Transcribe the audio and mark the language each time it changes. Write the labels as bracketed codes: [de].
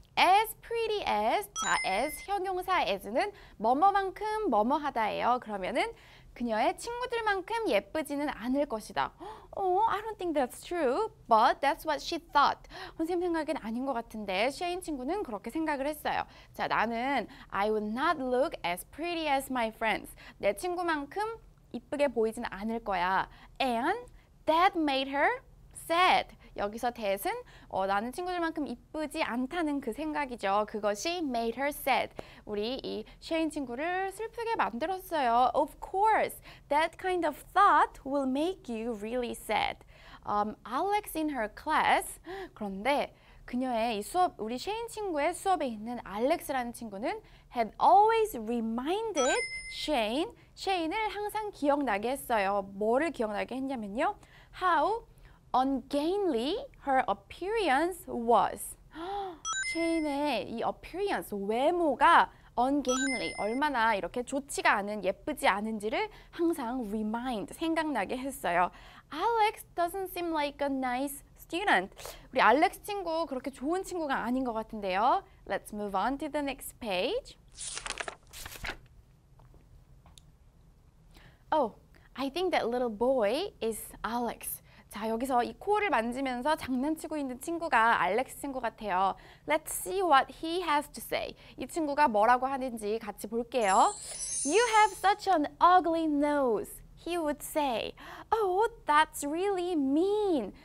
[en] As pretty as. [ko] 자, as 형용사 as는 뭐뭐만큼 뭐뭐하다예요. 그러면은 그녀의 친구들만큼 예쁘지는 않을 것이다. [en] I don't think that's true. But that's what she thought. [ko] 선생님 생각엔 아닌 것 같은데 Shane 친구는 그렇게 생각을 했어요. 자, 나는 [en] I would not look as pretty as my friends. [ko] 내 친구만큼 이쁘게 보이진 않을 거야. [en] And that made her sad. [ko] 여기서 that은 나는 친구들만큼 이쁘지 않다는 그 생각이죠. 그것이 [en] made her sad. [ko] 우리 이 Shane 친구를 슬프게 만들었어요. [en] Of course, that kind of thought will make you really sad. Alex in her class. [ko] 그런데 그녀의 이 수업, 우리 Shane 친구의 수업에 있는 Alex라는 친구는 [en] had always reminded Shane. [ko] Shane을 항상 기억나게 했어요. 뭐를 기억나게 했냐면요. [en] How ungainly her appearance was. [ko] Shane의 이 appearance, 외모가 ungainly, 얼마나 이렇게 좋지가 않은, 예쁘지 않은지를 항상 remind, 생각나게 했어요. [en] Alex doesn't seem like a nice student. [ko] 우리 Alex 친구 그렇게 좋은 친구가 아닌 것 같은데요. [en] Let's move on to the next page. Oh, I think that little boy is Alex. [ko] 자, 여기서 이 코를 만지면서 장난치고 있는 친구가 알렉스 친구 같아요. [en] Let's see what he has to say. [ko] 이 친구가 뭐라고 하는지 같이 볼게요. [en] You have such an ugly nose. He would say, Oh, that's really mean.